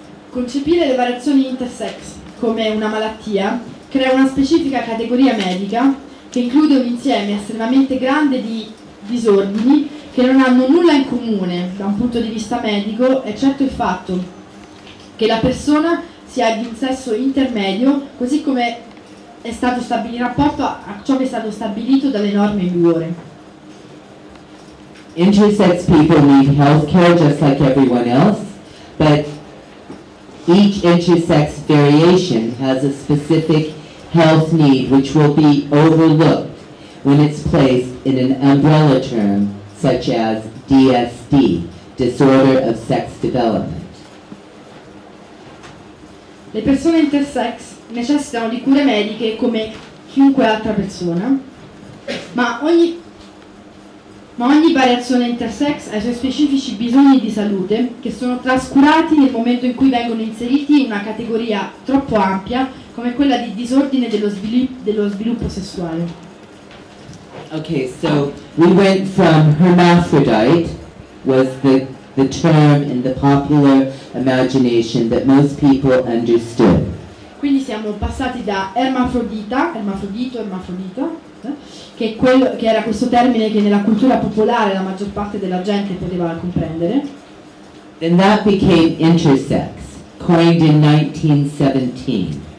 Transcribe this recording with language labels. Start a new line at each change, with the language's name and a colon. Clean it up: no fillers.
Italian: Concepire le variazioni intersex come una malattia crea una specifica categoria medica che include un insieme estremamente grande di disordini che non hanno nulla in comune da un punto di vista medico, eccetto il fatto che la persona sia di un sesso intermedio, così come è stato stabilito in rapporto a ciò che è stato stabilito dalle norme in vigore.
English: Intersex people need healthcare just like everyone else, but each intersex variation has a specific health need which will be overlooked when it's placed in an umbrella term such as DSD, Disorder of Sex Development.
Italian: Le persone intersex necessitano di cure mediche come chiunque altra persona, ma ma ogni variazione intersex ha i suoi specifici bisogni di salute che sono trascurati nel momento in cui vengono inseriti in una categoria troppo ampia come quella di disordine dello sviluppo sessuale.
English: Okay, so we went from hermaphrodite was the term in the popular imagination that most people understood.
Italian: Quindi siamo passati da ermafrodita, ermafrodito, ermafrodita, che, quello, che era questo termine che nella cultura popolare la maggior parte della gente poteva comprendere.
English: Then that became intersex, coined in 1917.